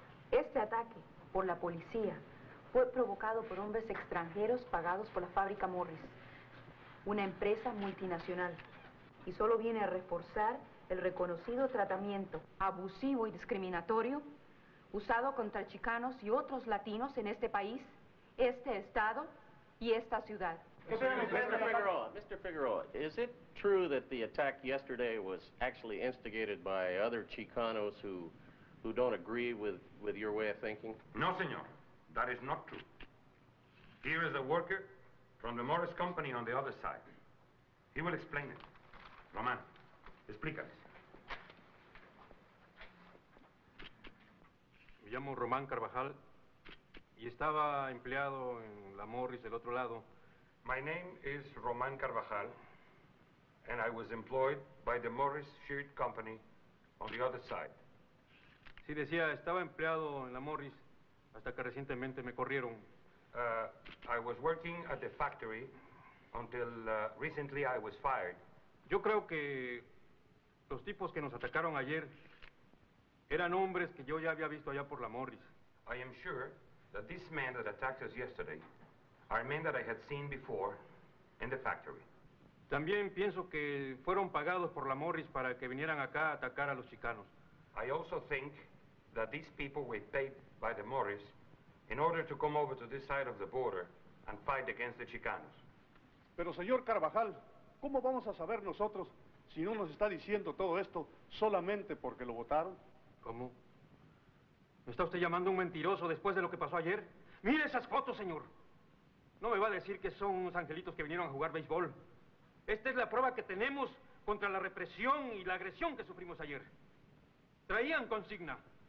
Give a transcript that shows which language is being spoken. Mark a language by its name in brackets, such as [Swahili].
[Spanish] Este ataque por la policía fue provocado por hombres extranjeros pagados por la fábrica Morris, una empresa multinacional, y solo viene a reforzar el reconocido tratamiento abusivo y discriminatorio usado contra chicanos y otros latinos en este país, este estado y esta ciudad. [English] Mr. Figueroa, is it true that the attack yesterday was actually instigated by other chicanos who don't agree with your way of thinking? [Spanish] No, señor. [English] That is not true. Here is a worker from the Morris Company on the other side. He will explain it. Roman, [Spanish] explícales. Me llamo Román Carvajal y estaba empleado en la Morris del otro lado. [English] My name is Román Carvajal and I was employed by the Morris Shirt Company on the other side. [Spanish] Sí, decía, estaba empleado en la Morris hasta que recientemente me corrieron. [English] I was working at the factory until recently I was fired. [Spanish] Yo creo que los tipos que nos atacaron ayer eran hombres que yo ya había visto allá por la Morris. [English] I am sure that these men that attacked us yesterday are men that I had seen before in the factory. [Spanish] También pienso que fueron pagados por la Morris para que vinieran acá a atacar a los chicanos. [English] I also think that these people were paid by the Morris in order to come over to this side of the border and fight against the Chicanos. [Spanish] Pero señor Carvajal, ¿cómo vamos a saber nosotros si no nos está diciendo todo esto solamente porque lo votaron? ¿Cómo? ¿Me está usted llamando un mentiroso después de lo que pasó ayer? ¡Mire esas fotos, señor! No me va a decir que son unos angelitos que vinieron a jugar béisbol. Esta es la prueba que tenemos contra la represión y la agresión que sufrimos ayer. Traían consigna.